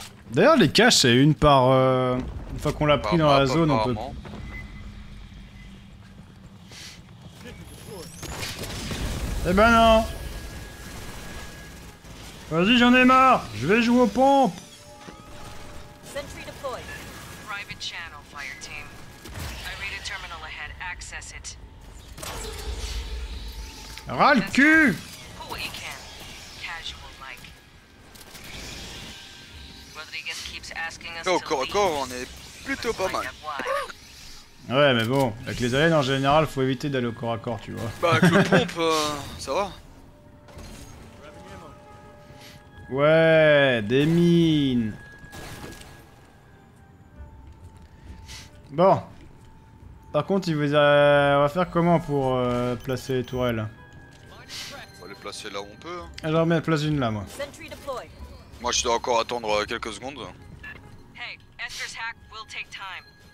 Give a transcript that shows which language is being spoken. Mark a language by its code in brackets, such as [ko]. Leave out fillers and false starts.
[fr] D'ailleurs, les caches, c'est une par. Une fois qu'on l'a pris dans la zone, on peut. Eh ben non! Vas-y, j'en ai marre! Je vais jouer aux pompes! [en] Sentry deployed. Private channel, fire team. I read a terminal ahead, access it. [fr] Ras le cul! [en] Pull what you can. Casual, like. Rodriguez keeps asking us to leave. Go, go, go, [fr] on est plutôt pas mal. Ouais, mais bon, avec les aliens en général, faut éviter d'aller au corps à corps, tu vois. Bah, avec le pompe, ça va. Ouais, des mines. Bon. Par contre, il vous a... on va faire comment pour placer les tourelles? On va les placer là où on peut. Hein. Alors, mets la place une là, moi. Moi, je dois encore attendre quelques secondes. [en] Hey, Esther's hack will take time.